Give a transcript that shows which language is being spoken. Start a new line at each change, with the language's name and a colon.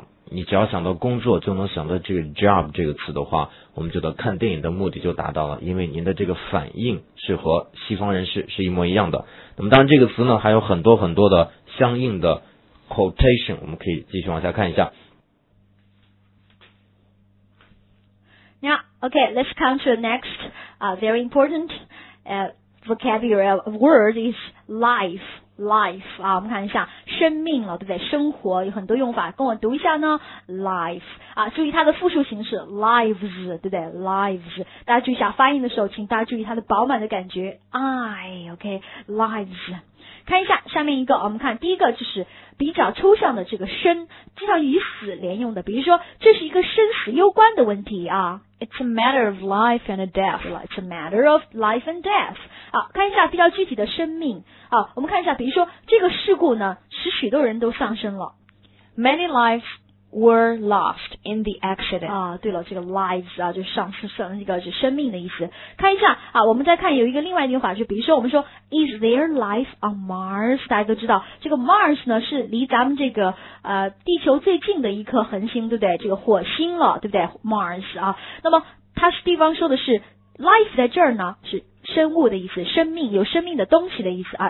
Chinese: 你只要想到工作就能想到这个 job 这个词的话我们觉得看电影的目的就达到了因为您的这个反应是和西方人士是一模一样的那么当然这个词呢还有很多很多的相应的 quotation 我们可以继续往下看一下
English: OK, let's come to the next, very important, vocabulary word is life.
Chinese: life 啊，我们看一下生命了，对不对？生活有很多用法，跟我读一下呢 ，life 啊，注意它的复数形式 lives， 对不对 ？lives， 大家注意一下发音的时候，请大家注意它的饱满的感觉 ，I，OK，lives。看一下下面一个，我们看第一个就是比较抽象的这个生，经常与死连用的，比如说这是一个生死攸关的问题啊。
English: It's a matter of life and death. It's a matter of life and death.
Chinese: 好，看一下比较具体的生命。好，我们看一下，比如说这个事故呢，使许多人都丧生了。
English: Many lives were lost in the accident.
Chinese: 啊，对了，这个 lives 啊，就丧失生一个是生命的意思。看一下啊，我们再看有一个另外一个法，就比如说我们说
English: Is there life on Mars?
Chinese: 大家都知道，这个 Mars 呢是离咱们这个地球最近的一颗恒星，对不对？这个火星了，对不对 ？Mars 啊，那么它是地方说的是 life 在这儿呢，是生物的意思，生命有生命的东西的意思啊。